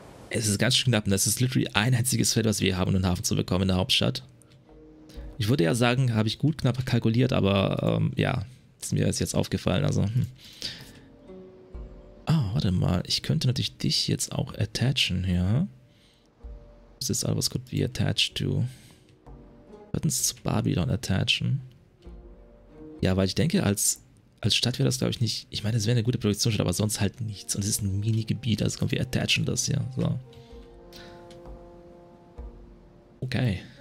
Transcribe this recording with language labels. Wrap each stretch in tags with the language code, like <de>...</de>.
<de>Es ist ganz schön knapp, das ist literally ein einziges Feld, was wir haben, um einen Hafen zu bekommen in der Hauptstadt. Ich würde ja sagen, habe ich gut knapp kalkuliert, aber ja, ist mir jetzt aufgefallen. Also, ah, warte mal, ich könnte natürlich dich jetzt auch attachen, ja.</de> <en>This is all what could be attached to.</en> <de>Würden sie zu Babylon attachen? Ja, weil ich denke, als Stadt wäre das, glaube ich, nicht... Ich meine, es wäre eine gute Produktionsstadt, aber sonst halt nichts. Und es ist ein Mini-Gebiet, also kommt, wir attachen das hier. So. Okay.</de>